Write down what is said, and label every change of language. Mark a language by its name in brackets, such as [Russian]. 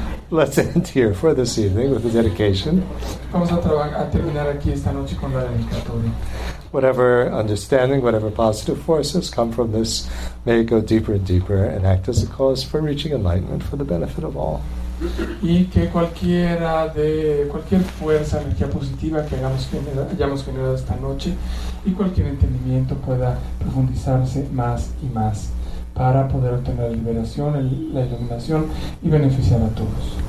[English] Let's end here for this evening with the dedication. [Spanish] Vamos a terminar aquí esta noche con la dedicatoria. [English] Whatever understanding, whatever positive forces come from this, may it go deeper and deeper and act as a cause for reaching enlightenment for the benefit of all. [Spanish] Y que cualquier fuerza, energía positiva que hayamos generado esta noche y cualquier entendimiento pueda profundizarse más y más para poder obtener la liberación, la iluminación y beneficiar a todos.